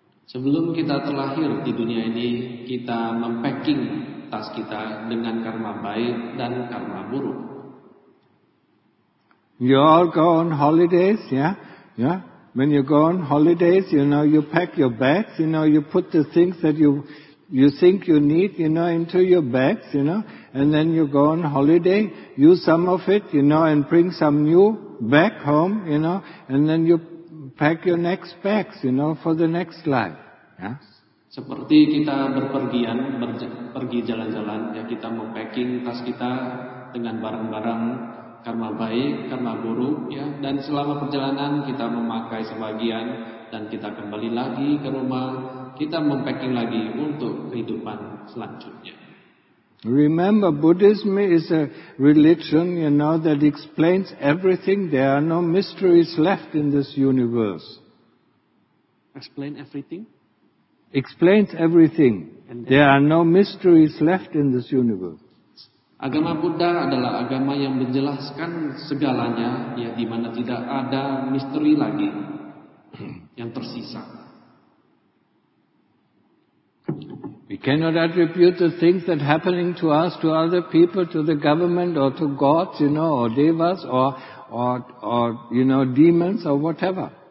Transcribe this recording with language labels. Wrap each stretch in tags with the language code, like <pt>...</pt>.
<id>Sebelum kita terlahir di dunia ini, kita mempacking tas kita dengan karma baik dan karma buruk.</id> <en>You all go on holidays, yeah? Yeah? When you go on holidays, you know, you pack your bags, you know, you put the things that you think you need, you know, into your bags, you know, and then you go on holiday, use some of it, you know, and bring some new back home, you know, and then you pack your next bags, you know, for the next life. Yeah?</en> <id>Seperti kita berpergian, pergi jalan-jalan, ya kita mempacking tas kita dengan barang-barang karma baik, karma buruk, ya. Dan selama perjalanan kita memakai sebagian dan kita kembali lagi ke rumah, kita mempacking lagi untuk kehidupan selanjutnya.</id> <en>Remember, Buddhism is a religion, you know, that explains everything. There are no mysteries left in this universe. Explain everything? Explains everything. There are no mysteries left in this universe.</en> <id>Agama Buddha adalah agama yang menjelaskan segalanya, ya, di mana tidak ada misteri lagi yang tersisa.</id> <en>We cannot attribute the things that happening to us to other people, to the government or to gods, you know, or devas or you know, demons or whatever.</en>